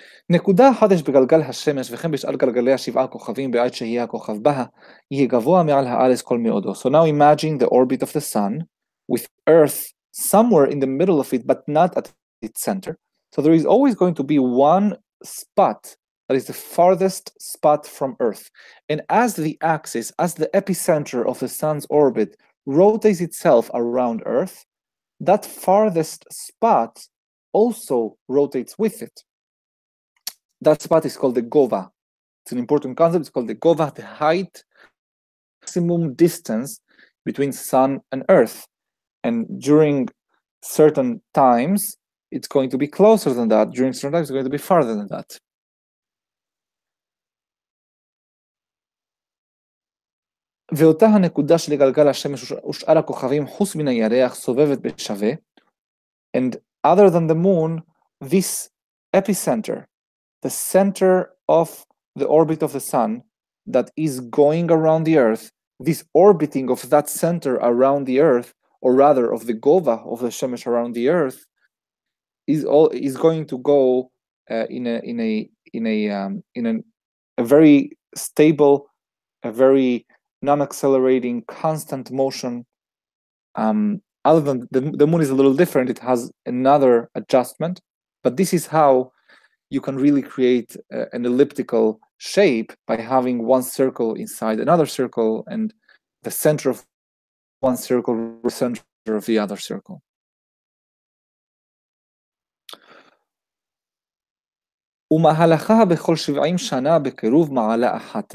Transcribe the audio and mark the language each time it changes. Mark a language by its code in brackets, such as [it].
[he] נקודה חדש בגלגל השמש וכן בשאר גלגלי השבעה כוכבים בעת שהיא הכוכב בה יהיה גבוה מעל האלס כל מאודו. [en] So now imagine the orbit of the sun with Earth somewhere in the middle of it but not at its center. So there is always going to be one spot that is the farthest spot from Earth. And as the axis, as the epicenter of the sun's orbit rotates itself around Earth, that farthest spot also rotates with it. That spot is called the gova. It's an important concept. It's called the gova, the height, maximum distance between sun and Earth. And during certain times, it's going to be closer than that. During certain times, it's going to be farther than that. [he] ואותה הנקודה של גלגל השמש ושאר הכוכבים חוץ מן הירח סובבת בשווה. [en] And other than the moon, this epicenter, the center of the orbit of the sun that is going around the earth, this orbiting of that center around the earth, or rather of the gova of the shemesh around the earth, is going to go in a very stable, a very non-accelerating constant motion. Other than the moon is a little different, it has another adjustment, but this is how you can really create an elliptical shape by having one circle inside another circle and the center of one circle, the center of the other circle. [he] ומהלכה בכל 70 שנה בקירוב מעלה אחת.